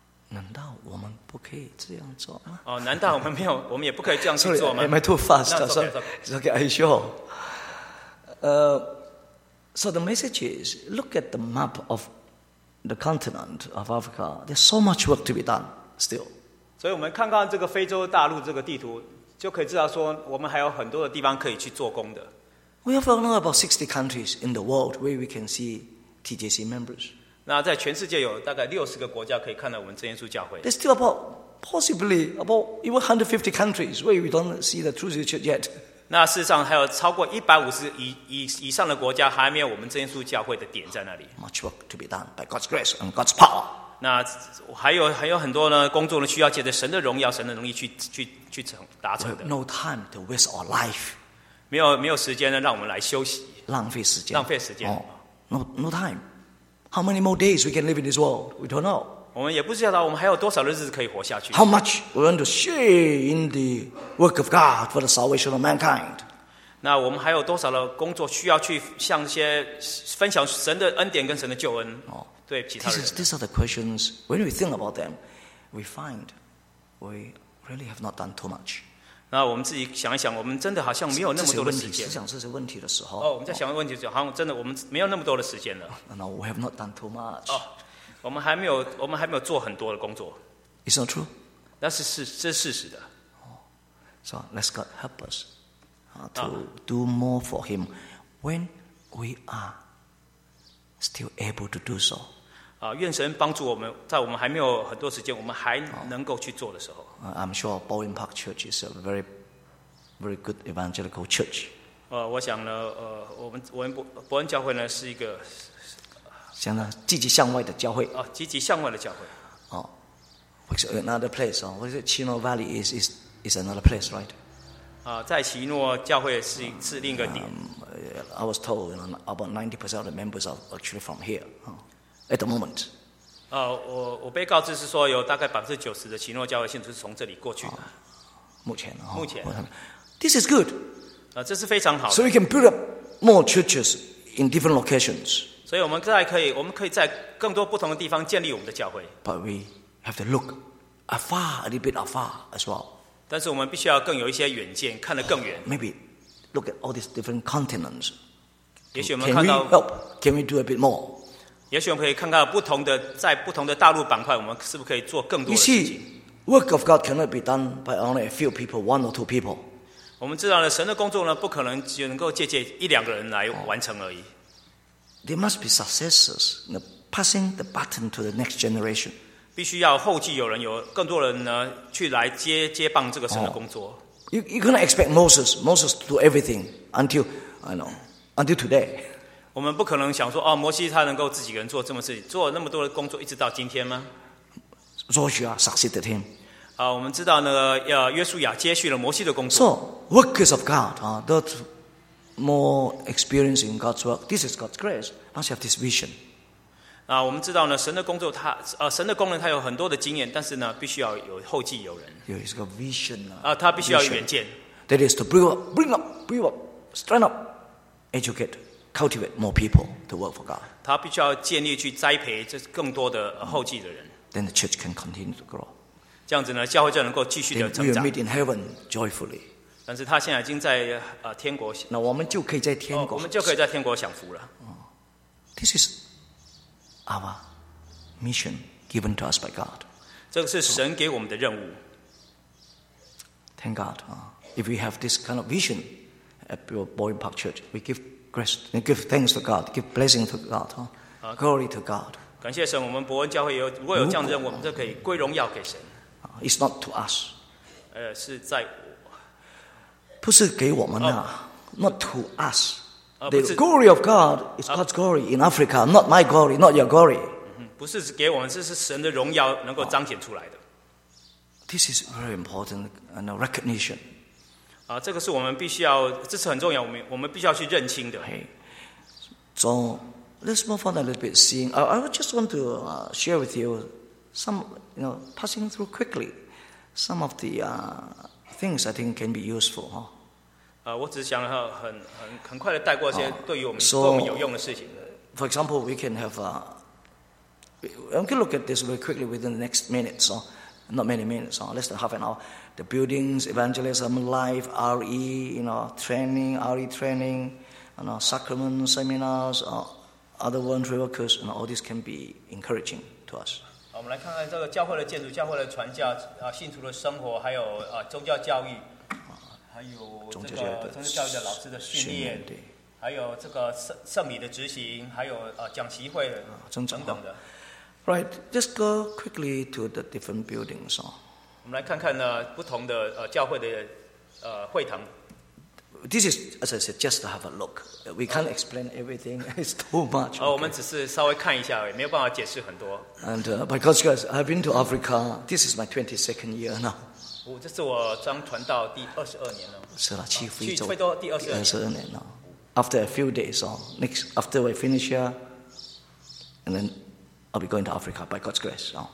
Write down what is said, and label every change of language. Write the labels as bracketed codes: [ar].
[zh] 难道我们不可以这样做吗？难道我们没有，我们也不可以这样去做吗 [en] ？Am I too fast? No, it's okay. Are you sure? So the message is: look at the map of the continent of Africa. There's so much work to be done still. [zh] 所以我们看看这个非洲大陆这个地图，就可以知道说我们还有很多的地方可以去做工的。 [en] We have only about 60 countries in the world where we can see TJC members. [zh] 那在全世界有大概60个国家可以看到我们真耶稣教会。 [en] There's still about possibly about even 150 countries where we don't see the True Jesus Church yet. [zh] 那事实上还有超过150以上的国家还没有我们真耶稣教会的点在那里。 [en] Much work to be done by God's grace and God's power. [zh] 那还有很多呢工作呢需要借着神的荣耀神的能力去成达成的。 [en] We have no time to waste our life. [zh] 没有时间呢让我们来休息。浪费时间。 [en] Oh, no time. How many more days we can live in this world? We don't know. [zh] 我们也不知道我们还有多少日子可以活下去。 How much we want to share in the work of God for the salvation of mankind? 那我们还有多少的工作需要去向些分享神的恩典跟神的救恩？哦，对其他人。 [en] These are the questions. When we think about them, we find we really have not done too much. [zh] 那我们自己想一想，我们真的好像没有那么多的时间。思想这些问题的时候，哦，我们在想问题的时候，好像真的我们没有那么多的时间了。 [en] No, we have not done too much. [zh] 我们还没有做很多的工作。 [en] It's not true. [zh] 这是事实的。 [en] So let's God help us to do more for Him when we are still able to do so. [zh] 愿神帮助我们，在我们还没有很多时间，我们还能够去做的时候。 [en] I'm sure Bowen Park Church is a very, very good evangelical church. [zh] 我想呢，我们伯恩教会呢是一个。相当积极向外的教会。积极向外的教会。 [en] Which is another place. What is it? Chino Valley is another place, right? [zh] 在奇诺教会是另一个点。 [en] I was told you know, about 90% of the members are actually from here. At the moment. [zh] 我被告知是说有大概90%的奇诺教会信徒是从这里过去的。目前。 [en] This is good. [zh] 这是非常好的。 [en] So we can build up more churches in different locations. [zh] 所以我们可以在更多不同的地方建立我们的教会。 [en] But we have to look afar, a little bit afar as well. [zh] 但是我们必须要更有一些远见，看得更远。 [en] Maybe look at all these different continents. [zh] 也许我们看到 [en] Can we help? Can we do a bit more? [zh] 也许我们可以看到在不同的大陆板块，我们是不是可以做更多的事情。 [en] You see, work of God cannot be done by only a few people, one or two people. [zh] 我们知道了，神的工作呢，不可能只能够借借一两个人来完成而已。 [en] There must be successors, you know, passing the baton to the next generation. [zh] 必须要后继有人，有更多人呢去来接棒这个神的工作。 [en] You cannot expect Moses to do everything until today. [zh] 我们不可能想说哦，摩西他能够自己人做这么事情，做那么多的工作，一直到今天吗 [en] ？Joshua succeeded him. [zh] 我们知道呢，约书亚接续了摩西的工作。 [en] So workers of God, More experience in God's work. This is God's grace. Must have this vision. [zh] 我们知道呢，神的工作他，神的工人他有很多的经验，但是呢，必须要有后继有人。 [en] Yeah, it's got vision. [zh] 他必须要远见。 [en] That is to bring up, strengthen up, educate, cultivate more people to work for God. [zh] 他必须要建立去栽培这更多的后继的人。 [en] Then the church can continue to grow. [zh] 这样子呢，教会就能够继续的成长。 [en] Then we will meet in heaven joyfully. [zh] 但是他现在已经在天国，那我们就可以在天国，我们就可以在天国享福了。 [en] This is our mission given to us by God. [zh] 这个是神给我们的任务。 [en] Thank God. If we have this kind of vision at your Boyne Park Church, we give grace, give thanks to God, give blessing to God, glory to God. [zh] 感谢神，我们伯恩教会如果有这样的任务，我们就可以归荣耀给神。 [en] It's not to us. [zh] 是在。不是给我们啊 [en] not to us. The glory of God is God's glory in Africa, not my glory, not your glory. [zh] 不是给我们，这是神的荣耀能够彰显出来的。 [en] This is very important, and a recognition. [zh] 这个是我们必须要，这是很重要，我们必须要去认清的。 [en] Okay. So let's move on a little bit. Seeing, I just want to share with you some, you know, passing through quickly some of the. Things I think can be useful, huh? [zh] 我只是想很快的带过一些对于我们有用的事情的。 [en] For example, we can have I'm going to look at this very quickly within the next minutes, or not many minutes, or less than half an hour. The buildings, evangelism, life, RE, you know, training, RE training, and you know, sacraments, seminars, other volunteer workers, and you know, all this can be encouraging to us. [zh] 我们来看看这个教会的建筑、教会的传教、信徒的生活，还有宗教教育，还有这个宗教教育的老师的训练，对，还有这个圣礼的执行，还有讲习会的等等的。 [en] Right, just go quickly to the different buildings. [zh] 我们来看看呢不同的教会的会堂。 [en] This is, as I said, just to have a look. We can't explain everything. It's too much. [zh] Okay. 我们只是稍微看一下，也没有办法解释很多。 [en] And by God's grace, I've been to Africa. This is my 22nd year now. [zh] 这是我将传道第22年了。是啦，去非洲第22年了。 [en] After a few days, next after we finish here, and then I'll be going to Africa by God's grace.